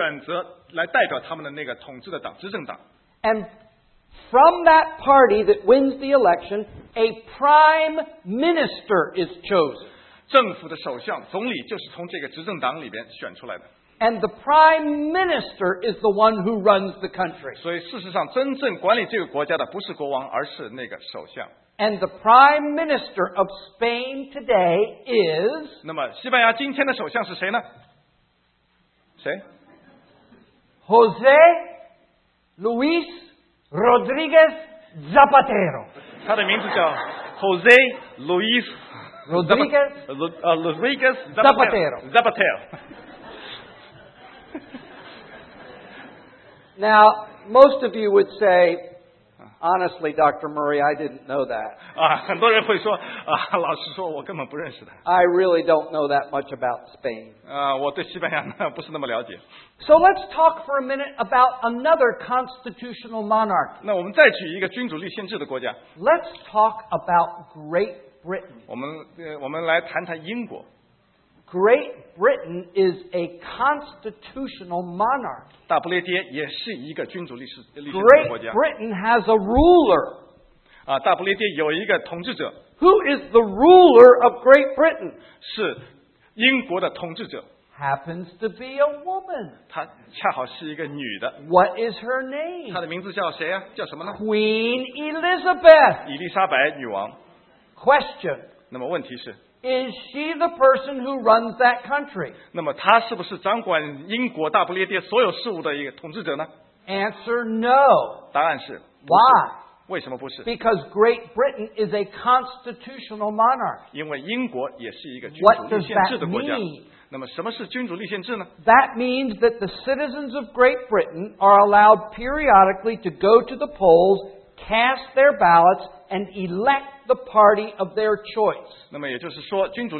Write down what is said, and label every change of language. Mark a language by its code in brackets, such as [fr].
[zh] 可以定期的来到投票箱那里，投下他们自己神圣的一票，来选择来代表他们的那个统治的党，执政党。 [en] And from that party that wins the election, a prime minister is chosen. [zh] 政府的首相，总理就是从这个执政党里边选出来的。 [en] And the prime minister is the one who runs the country. [zh] 所以事实上，真正管理这个国家的不是国王，而是那个首相。 [en] And the prime minister of Spain today is. [zh] 那么，西班牙今天的首相是谁呢？谁？ [es] José Luis Rodríguez Zapatero. [zh] 他的名字叫 José Luis [es] Rodríguez Zapatero. Zapatero. [en] Now, most of you would say, honestly, Dr. Murray, I didn't know that. [zh] 很多人会说，老实说，我根本不认识他。 [en] I really don't know that much about Spain. [zh] 我对西班牙不是那么了解。 [en] So let's talk for a minute about another constitutional monarch. [zh] 那我们再举一个君主立宪制的国家。 [en] Let's talk about Great Britain. [zh] 我们来谈谈英国。 [en] Great Britain is a constitutional monarch. [zh] 大不列颠也是一个君主立宪制的国家。 [en] Great Britain has a ruler. [zh] 大不列颠有一个统治者。 [en] Who is the ruler of Great Britain? [zh] 是英国的统治者。 [en] Happens to be a woman. [zh] 她恰好是一个女的。 [en] What is her name? [zh] 她的名字叫谁啊?叫什么呢? [en] Queen Elizabeth. [zh] 伊丽莎白女王。 [en] Question. [zh] 那么问题是, [en] Is she the person who runs that country? [zh] 那么她是不是掌管英国大不列颠所有事务的一个统治者呢? [en] Answer, no. [zh] 答案是, [en] Why? [zh] 为什么不是? [en] Because Great Britain is a constitutional monarch. [zh] 因为英国也是一个君主立宪制的国家。 [en] What does that mean? [zh] 那么什么是君主立宪制呢? [en] That means that the citizens of Great Britain are allowed periodically to go to the polls, cast their ballots, and elect the party of their choice.